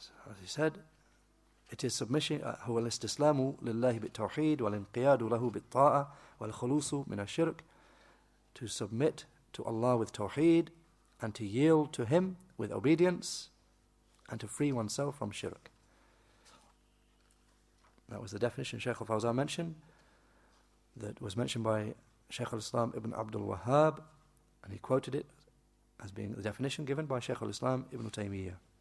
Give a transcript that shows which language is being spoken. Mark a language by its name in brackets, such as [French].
[English] As he said, it is submission. [Arabic] هو الاستسلام لله بالتوحيد والانقياد له بالطاعة والخلوص من الشرك. [English] To submit to Allah with tawheed, and to yield to Him with obedience, and to free oneself from shirk. That was the definition Shaykh al-Fawzan mentioned, that was mentioned by Shaykh al-Islam ibn Abdul Wahhab, and he quoted it as being the definition given by Shaykh al-Islam ibn Taymiyyah.